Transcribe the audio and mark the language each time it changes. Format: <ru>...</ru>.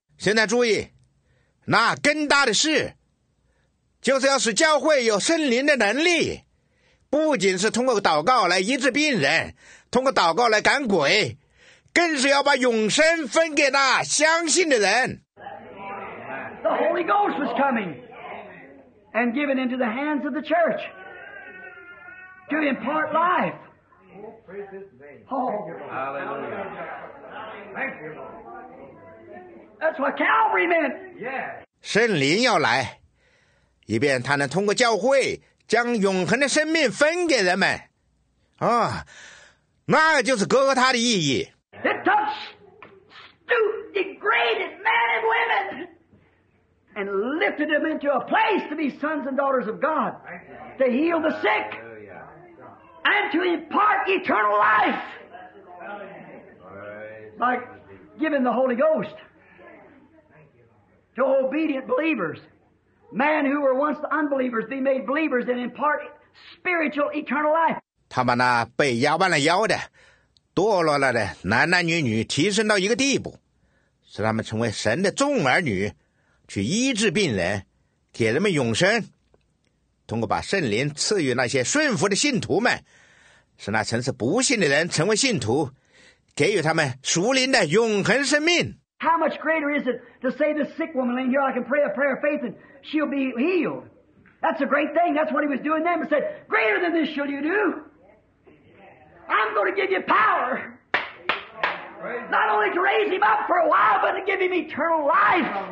<zh>现在注意，那更大的事，就是要使教会有圣灵的能力，不仅是通过祷告来医治病人，通过祷告来赶鬼，更是要把永生分给那相信的人。</zh> <en>The Holy Ghost was coming and given into the hands of the church to impart life. That's what Calvary meant. Yes.</en> <zh>圣灵要来，以便他能通过教会将永恒的生命分给人们。啊，那就是哥哥他的意义。</zh> <en>It touched stoop degraded men and women and lifted them into a place to be sons and daughters of God to heal the sick and to impart eternal life by giving the Holy Ghost to obedient believers. Man who were once unbelievers be made believers and impart spiritual eternal life.</en> <zh>他把那被压弯了腰的、堕落了的男男女女提升到一个地步，使他们成为神的众儿女，去医治病人，给人们永生。通过把圣灵赐予那些顺服的信徒们，使那曾是不信的人成为信徒，给予他们属灵的永恒生命。</zh> <en>How much greater is it to say the sick woman laying here, I can pray a prayer of faith and she'll be healed? That's a great thing. That's what he was doing then. He said, greater than this shall you do. I'm going to give you power. Not only to raise him up for a while, but to give him eternal life.</en>